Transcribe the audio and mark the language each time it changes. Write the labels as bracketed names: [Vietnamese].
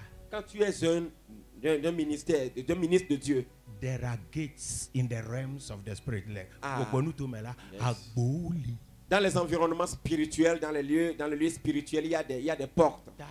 [French] Quand tu es un ministère, un ministre de Dieu. [English] There are gates in the realms of the spirit. Yes. [French] Dans les environnements spirituels, dans les lieux spirituels, il y a des portes.